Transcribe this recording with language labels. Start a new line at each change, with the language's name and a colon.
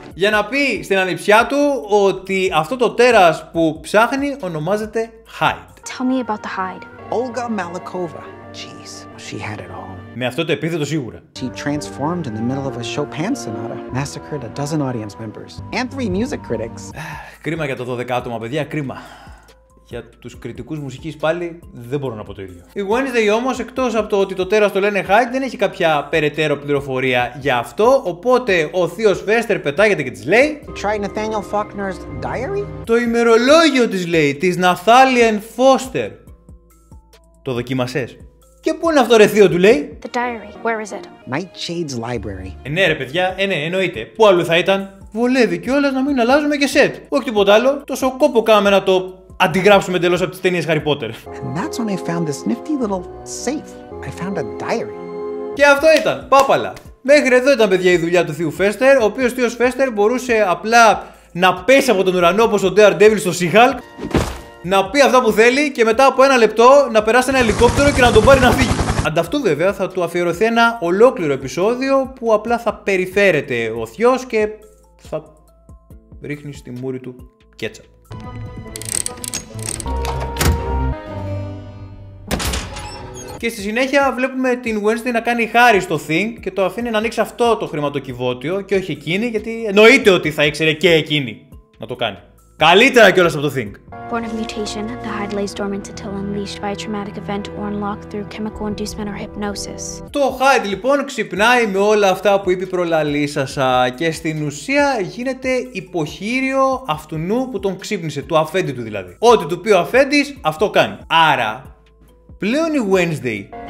Greek: Για να πει στην ανιψιά του ότι αυτό το τέρας που ψάχνει ονομάζεται Hyde.
English: Tell me about the Hyde. Olga Malikova. Jeez, she had it all.
Greek: Με αυτό το επίθετο σίγουρα.
English: She transformed in the middle of a Chopin sonata, massacred a dozen audience members and three music critics.
Greek: Κρίμα για το 12 άτομα, παιδιά, κρίμα. Για τους κριτικούς μουσικής πάλι δεν μπορώ να πω το ίδιο. Η Wednesday όμως, εκτός από το ότι το τέρας το λένε Hyde, δεν έχει κάποια περαιτέρω πληροφορία για αυτό, οπότε ο θείος Fester πετάγεται και της λέει:
English: You tried Nathaniel Faulkner's diary?
Greek: Το ημερολόγιο της λέει, της Nathaniel Foster. Το δοκίμασες? Και πού είναι αυτό ρε θείο του λέει?
English: The diary, where is it? Nightshade's library.
Greek: Ναι ρε παιδιά, ναι, εννοείται. Πού άλλο θα ήταν? Βολεύει κιόλας να μην αλλάζουμε και σετ. Όχι τίποτα άλλο, τόσο κόπο κάμε να το αντιγράψουμε εντελώς από τις ταινίες Harry Potter.
English: And that's when I found this nifty little safe. I found a diary.
Greek: Και αυτό ήταν, πάπαλα. Μέχρι εδώ ήταν παιδιά η δουλειά του θείου Fester, ο οποίος θείος Fester μπορούσε απλά να πέσει από τον ουρανό όπως ο Daredevil στο Seahulk, να πει αυτά που θέλει και μετά από ένα λεπτό να περάσει ένα ελικόπτερο και να τον πάρει να φύγει. Ανταυτού βέβαια θα του αφιερωθεί ένα ολόκληρο επεισόδιο που απλά θα περιφέρεται ο θείος και θα ρίχνει στη μούρη του κέτσαπ. Και στη συνέχεια βλέπουμε την Wednesday να κάνει χάρη στο Thing και το αφήνει να ανοίξει αυτό το χρηματοκιβώτιο και όχι εκείνη, γιατί εννοείται ότι θα ήξερε και εκείνη να το κάνει. Καλύτερα κιόλας από το Thing.
English: Born of mutation, the Hyde lays dormant until unleashed by a traumatic event or unlocked through chemical inducement or hypnosis.
Greek: Το Hyde λοιπόν ξυπνάει με όλα αυτά που είπε η προλαλήσασα και στην ουσία γίνεται υποχείριο αυτού που τον ξύπνησε, του αφέντη του δηλαδή. Ό,τι του πει ο αφέντης, αυτό κάνει. Άρα, πλέον η Wednesday.